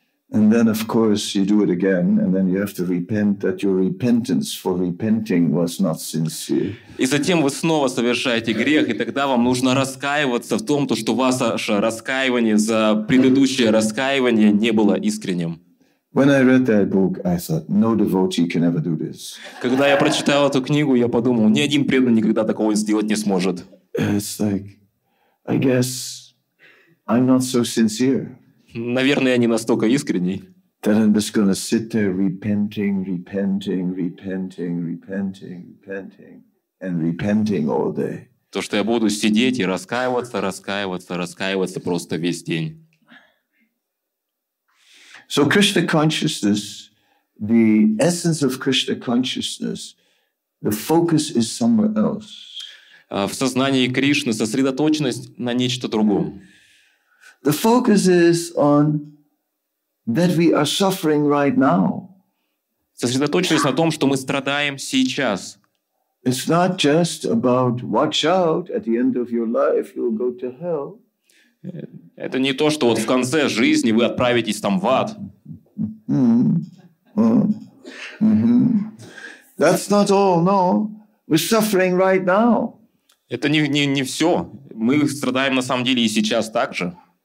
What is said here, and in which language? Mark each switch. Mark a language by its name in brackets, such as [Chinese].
[English] And then, of course, you do it again, and then you have to repent that your repentance for repenting was not sincere. [Russian] И затем вы снова совершаете грех, и тогда вам нужно раскаиваться в том, то что ваше раскаивание за предыдущее раскаивание не было искренним. [English] When I read that book, I thought no devotee can ever do this. [Russian] Когда я прочитал эту книгу, я подумал, ни один преданный никогда такого сделать не сможет. [English] It's like, I guess, I'm not so sincere. [Russian] Наверное, я не настолько искренний. [English] Then I'm just gonna sit there repenting, repenting, repenting, repenting, repenting, and repenting all day. [Russian] То, что я буду сидеть и раскаиваться, раскаиваться, раскаиваться просто весь день. [English] So Krishna consciousness, the essence of Krishna consciousness, the focus is somewhere else. [Russian] В сознании Кришны сосредоточенность на нечто другом. [English] The focus is on that we are suffering right now. [Russian] Сосредоточьтесь на том, что мы страдаем сейчас. [English] It's not just about watch out at the end of your life you'll go to hell. [Russian] Это не то, что вот в конце жизни вы отправитесь там в ад. [English] That's not all, no. We're suffering right now. [Russian] Это не все. Мы страдаем на самом деле и сейчас также.